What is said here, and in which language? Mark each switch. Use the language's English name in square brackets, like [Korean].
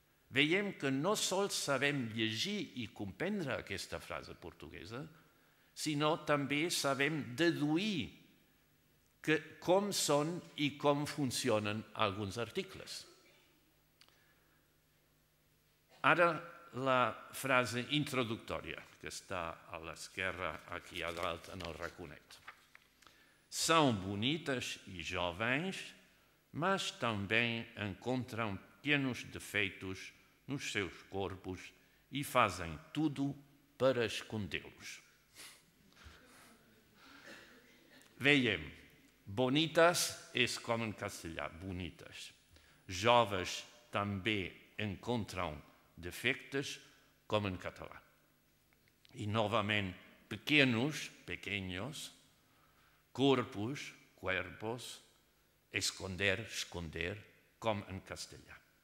[Catalan] Veiem que no sols sabem llegir i comprendre aquesta frase portuguesa, sinó també sabem deduir que com són i com funcionen alguns articles. Ara la frase introductòria, que està a l'esquerra, aquí a dalt, en el raconet. [Portuguese] São bonitas i jovens, mas també encontram pequenos defeitos nos seus corpos i fazem tudo per escondê-los. [Catalan] Veiem, bonitas és com en castellà, bonites. Joves també encontram defectes com en català. I novament, pequenos, pequeños, corpos, cuerpos, esconder, esconder, com en castellà.